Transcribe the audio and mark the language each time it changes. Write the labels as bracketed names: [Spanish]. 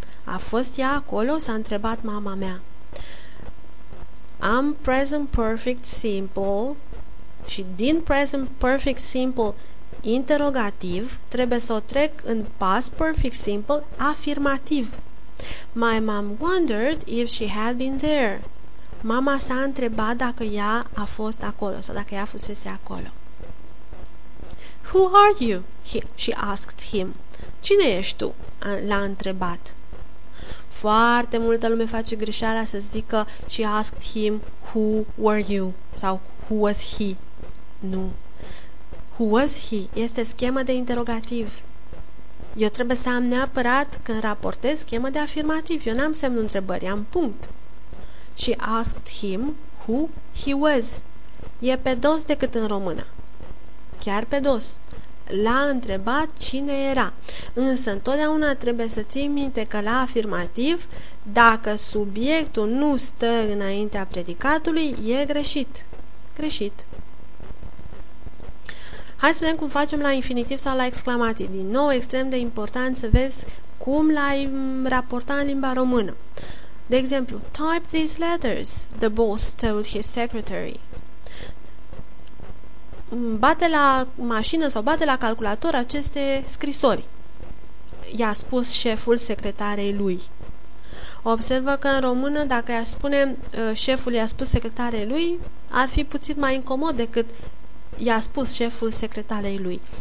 [Romanian] A fost ea acolo? S-a întrebat mama mea. Am present perfect simple și din present perfect simple interrogativ trebuie să o trec în past perfect simple afirmativ. [English] My mom wondered if she had been there. [Romanian] Mama s-a întrebat dacă ea a fost acolo sau dacă ea fusese acolo. [English] Who are you? She asked him. [Romanian] Cine ești tu? L-a întrebat. Foarte multă lume face greșeala să zică [English] she asked him who were you [Romanian] sau [English] who was he. Nu. Who was he? [Romanian] Este schemă de interrogativ. Eu trebuie să am neapărat când raportez schemă de afirmativ. Eu n-am semnul întrebării, am punct. [English] She asked him who he was. [Romanian] E pe dos decât în română. Chiar pe dos. L-a întrebat cine era. Însă întotdeauna trebuie să ții minte că la afirmativ, dacă subiectul nu stă înaintea predicatului, e greșit. Greșit. Hai să vedem cum facem la infinitiv sau la exclamație. Din nou, extrem de important să vezi cum l-ai raporta în limba română. De exemplu, [English] type these letters, the boss told his secretary. [Romanian] Bate la mașină sau bate la calculator aceste scrisori, i-a spus șeful secretarei lui. Observă că în română, dacă i-a spune șeful i-a spus secretarei lui, ar fi puțin mai incomod decât i-a spus șeful secretarei lui.